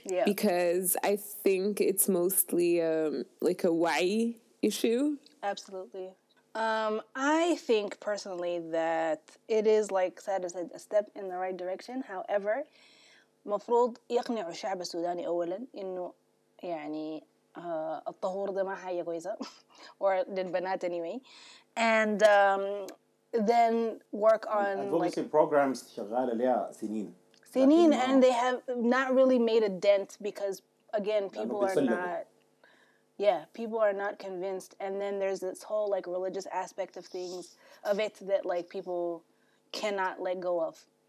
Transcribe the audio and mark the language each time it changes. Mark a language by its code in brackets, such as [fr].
[en] Because I think it's mostly, like, a why issue. Absolutely. I think personally that it is, like Sada said, a step in the right direction. However, [ar] مفروض يقنعوا الشعب السوداني أولا إنه يعني الطهور ده ما حاجة كويسة [en] or [ar] للبنات [en] anyway, and then work on advocacy like, programs [ar] شغالة ليها سنين [en] and they have not really made a dent because again people are not. Yeah, people are not convinced. And then there's this whole, like, religious aspect of things, of it, that, like, people cannot let go of.